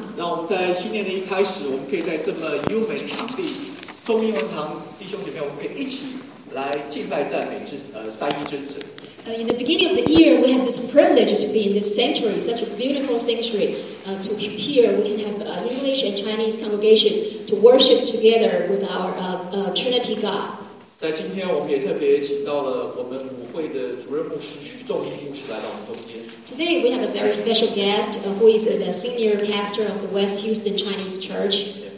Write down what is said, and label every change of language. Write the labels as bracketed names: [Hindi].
[Chinese] 那我们在训练的一开始，我们可以在这么优美的场地，中英文堂弟兄姐妹，我们可以一起来敬拜赞美三一真神。 [English] In the beginning of the year, we have this privilege to be in this sanctuary, such a beautiful sanctuary. To here, we can have an English and Chinese congregation to worship together with our Trinity God. [Chinese] 在今天，我们也特别请到了我们母会的主任牧师徐仲明牧师来到我们中间。 [English] Today, we have a very special guest who is the senior pastor of the West Houston Chinese Church.